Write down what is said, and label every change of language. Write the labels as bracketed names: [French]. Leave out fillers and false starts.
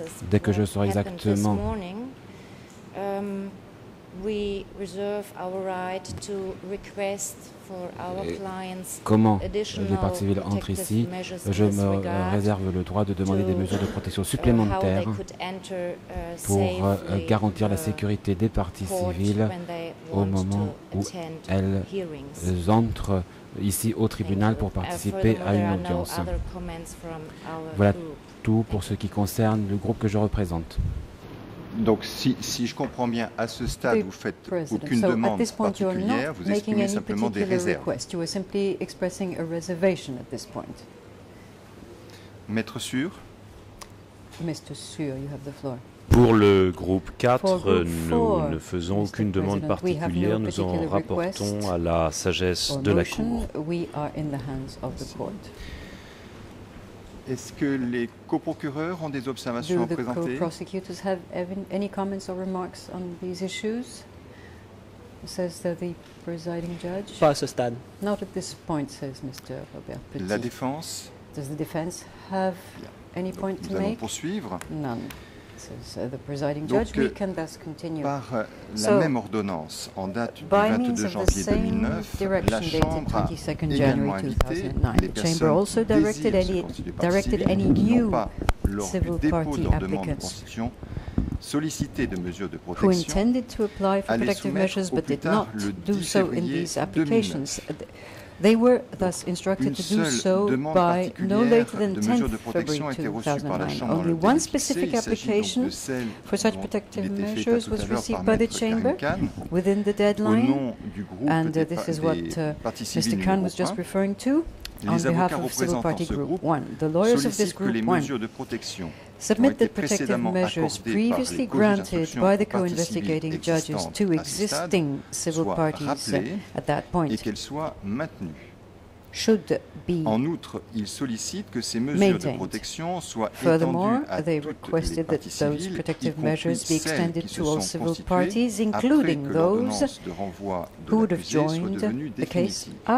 [French] Dès que je saurai exactement comment les parties civiles entrent ici, je me réserve le droit de demander des mesures de protection supplémentaires pour garantir la sécurité des parties civiles au moment où elles entrent ici au tribunal pour participer à une audience. Voilà tout pour ce qui concerne le groupe que je représente. Donc, si je comprends bien, à ce stade, vous ne faites aucune demande particulière, vous exprimez simplement des réserves. [English] You are simply expressing a reservation at this point. Maître Sûr. Mr. Sûr, you have the floor. [French] Pour le groupe 4, nous ne faisons aucune demande particulière, nous en rapportons à la sagesse de la Cour. [English] We are in the hands of the court. [French] Est-ce que les coprocureurs ont des observations à présenter? [English] Do the co-prosecutors have any comments or remarks on these issues? Says the presiding judge. [French] Pas à ce stade. [English] Not at this point, says Mr. Robert Petit. [French] La défense. [English] Does the defense have any point to make? [French] Nous allons poursuivre. [English] None, says the presiding judge. We can thus continue. [French] Par la même ordonnance en date du 22 janvier 2009, la Chambre a également invité les personnes qui désirent se constituer partie civile, qui n'ont pas, lors du dépôt de leur demande de constitution, sollicité de mesures de protection, à les soumettre au plus tard le 10 février 2009. [English] They were thus instructed to do so by no later than 10th February 2009. Only one specific application for such protective measures was received by the Chamber within the deadline, and this is what Mr. Khan was just referring to on behalf of Civil Party Group 1. The lawyers of this Group 1 submit the protective measures previously granted by the co-investigating judges to existing civil parties at that point [French] et qu'elles soient maintenues. [English] Should be [French] en outre, ils sollicitent que ces mesures de protection soient étendues à toutes les parties civiles, y compris celles qui se sont constituées [English] civil parties, including [French] après que l'ordonnance de renvoi de l'accusé soit devenue définitive.